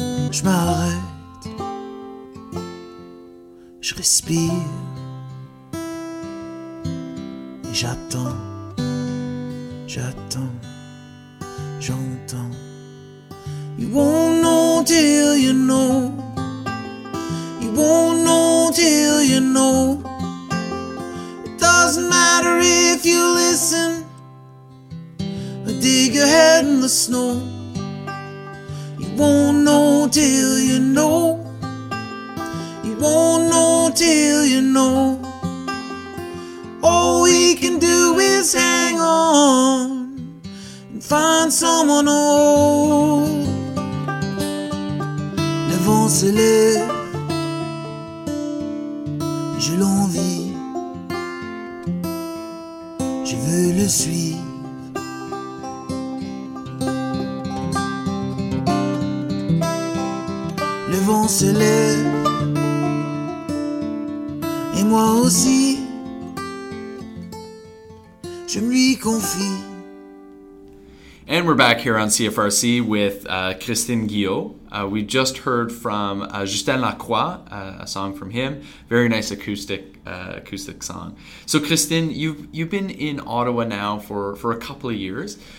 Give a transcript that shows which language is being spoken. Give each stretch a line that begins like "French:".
French: Je m'arrête, je respire et j'attends, j'attends, j'entends.
English: You won't know till you know, you won't know till you know. It doesn't matter if you listen or dig your head in the snow. You won't know till you know, you won't know till you know. All we can do is hang on and find someone old.
French: Le vent se lève, je l'envie, je veux le suivre. Le vent se lève, moi aussi, je me confie.
English: And we're back here on CFRC with Christine Guillot. We just heard from Justin Lacroix, a song from him. Very nice acoustic song. So, Christine, you've been in Ottawa now for a couple of years.